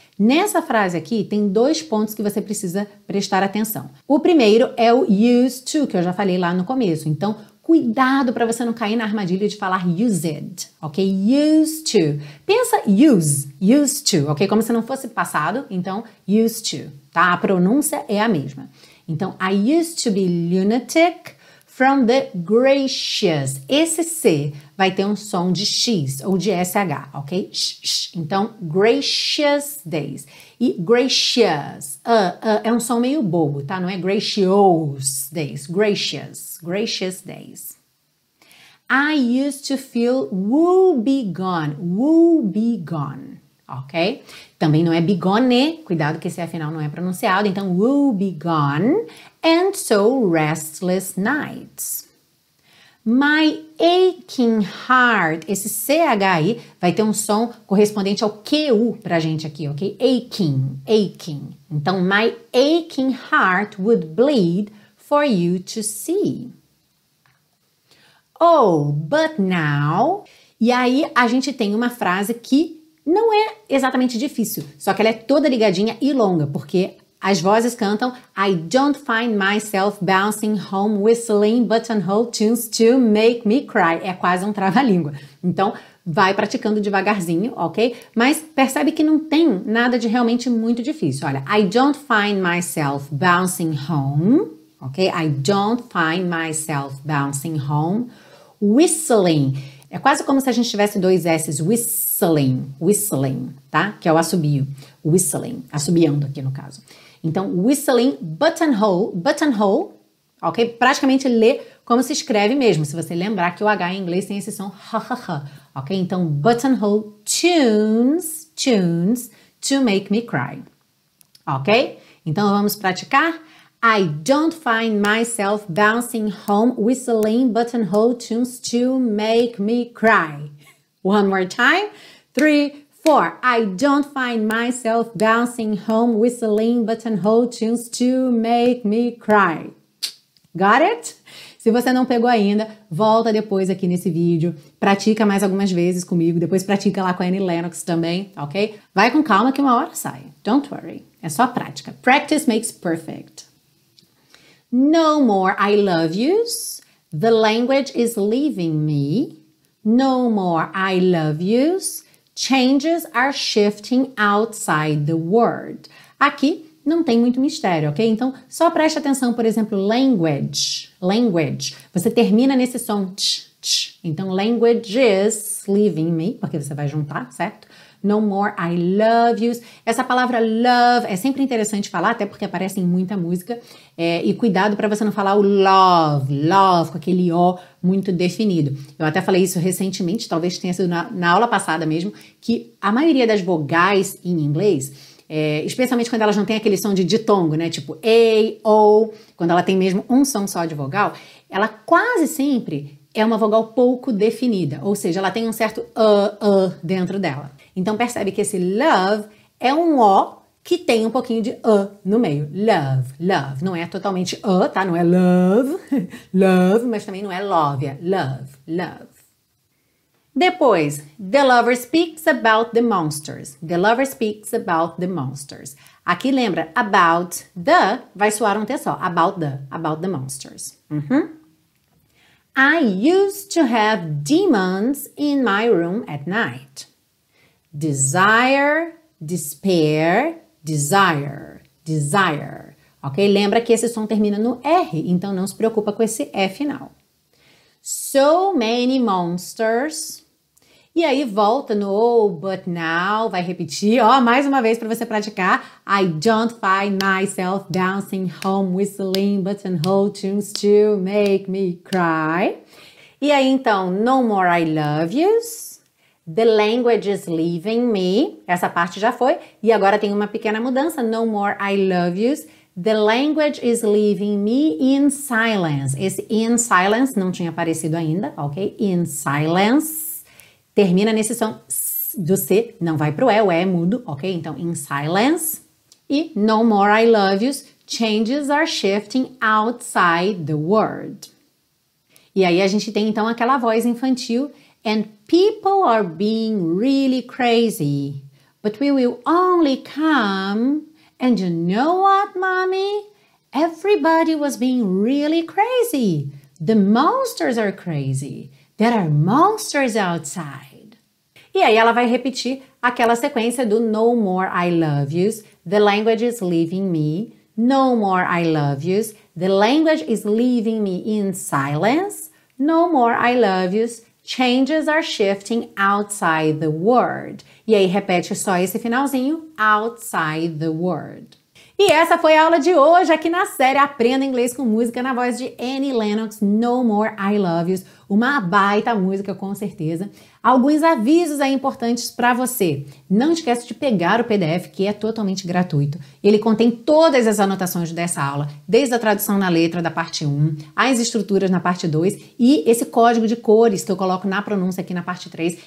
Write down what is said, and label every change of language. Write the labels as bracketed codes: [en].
[pt] Nessa frase aqui, tem dois pontos que você precisa prestar atenção. O primeiro é o used to, que eu já falei lá no começo. Então, cuidado para você não cair na armadilha de falar used, ok? Used to. Pensa used to, ok? Como se não fosse passado, então used to, tá? A pronúncia é a mesma. Então, [en] I used to be lunatic from the gracious. [pt] Esse C vai ter um som de X ou de SH, ok? Sh. Então, [en] gracious days. [pt] E gracious, é um som meio bobo, tá? Não é [en] gracious days, gracious, gracious days. I used to feel woe be gone, ok? [pt] Também não é bigone, cuidado que esse afinal não é pronunciado. Então, [en] woe be gone and so restless nights. My aching heart, [pt] esse CHI vai ter um som correspondente ao QU pra gente aqui, ok? [en] Aching, aching. [pt] Então, [en] my aching heart would bleed for you to see. Oh, but now... [pt] E aí a gente tem uma frase que não é exatamente difícil, só que ela é toda ligadinha e longa, porque as vozes cantam [en] I don't find myself bouncing home whistling buttonhole tunes to make me cry. [pt] É quase um trava-língua. Então, vai praticando devagarzinho, ok? Mas percebe que não tem nada de realmente muito difícil. Olha, [en] I don't find myself bouncing home, ok? I don't find myself bouncing home whistling. [pt] É quase como se a gente tivesse dois S's, whistling, whistling, tá? Que é o assobio, whistling, assobiando aqui no caso. Então, whistling, buttonhole, buttonhole, ok? Praticamente lê como se escreve mesmo, se você lembrar que o H em inglês tem esse som, ha-ha-ha, ok? Então, buttonhole, tunes, tunes, [en] to make me cry, [pt] ok? Então, vamos praticar? [en] I don't find myself bouncing home whistling buttonhole tunes to make me cry. One more time. 3, 4. I don't find myself bouncing home whistling buttonhole tunes to make me cry. Got it? [pt] Se você não pegou ainda, volta depois aqui nesse vídeo. Pratica mais algumas vezes comigo. Depois pratica lá com a Annie Lennox também, ok? Vai com calma que uma hora sai. [en] Don't worry. [pt] É só prática. [en] Practice makes perfect. No more I love yous. The language is leaving me. No more I love yous. Changes are shifting outside the word. [pt] Aqui não tem muito mistério, ok? Então, só preste atenção, por exemplo, language. Language. Você termina nesse som tch, tch. Então, [en] language is leaving me, [pt] porque você vai juntar, certo? [en] No more I love yous. [pt] Essa palavra love é sempre interessante falar, até porque aparece em muita música. E cuidado para você não falar o love, love, com aquele O muito definido. Eu até falei isso recentemente, talvez tenha sido na aula passada mesmo, que a maioria das vogais em inglês, especialmente quando elas não têm aquele som de ditongo, né? Tipo A, O, quando ela tem mesmo um som só de vogal, ela quase sempre é uma vogal pouco definida. Ou seja, ela tem um certo dentro dela. Então percebe que esse love é um O que tem um pouquinho de no meio. Love, love. Não é totalmente tá? Não é love, love, mas também não é love. [en] É love, love. Depois, the lover speaks about the monsters. The lover speaks about the monsters. [pt] Aqui lembra, about the, vai soar um T só. [en] About the monsters. Uhum. I used to have demons in my room at night. Desire, despair, desire, desire. Ok? [pt] Lembra que esse som termina no R, então não se preocupa com esse F final. [en] So many monsters. [pt] E aí volta no [en] but now, [pt] vai repetir. Ó, mais uma vez para você praticar. [en] I don't find myself dancing home whistling buttonhole tunes to make me cry. [pt] E aí então, [en] no more I love yous. The language is leaving me. [pt] Essa parte já foi. E agora tem uma pequena mudança. [en] No more I love yous. The language is leaving me in silence. [pt] Esse in silence não tinha aparecido ainda, ok? [en] In silence. [pt] Termina nesse som do C. Não vai pro E. O E é mudo, ok? Então, [en] in silence. E no more I love yous. Changes are shifting outside the word. [pt] E aí a gente tem, então, aquela voz infantil. [en] And people are being really crazy, but we will only come. And you know what, mommy? Everybody was being really crazy. The monsters are crazy. There are monsters outside. [pt] E aí ela vai repetir aquela sequência do no more I love yous. [en] The language is leaving me. No more I love yous. The language is leaving me in silence. No more I love yous. Changes are shifting outside the word. [pt] E aí, repete só esse finalzinho, [en] outside the word. [pt] E essa foi a aula de hoje aqui na série Aprenda Inglês com Música na voz de Annie Lennox, No More I Love Yous. Uma baita música, com certeza. Alguns avisos aí importantes para você. Não esquece de pegar o PDF, que é totalmente gratuito. Ele contém todas as anotações dessa aula, desde a tradução na letra da parte 1, as estruturas na parte 2 e esse código de cores que eu coloco na pronúncia aqui na parte 3.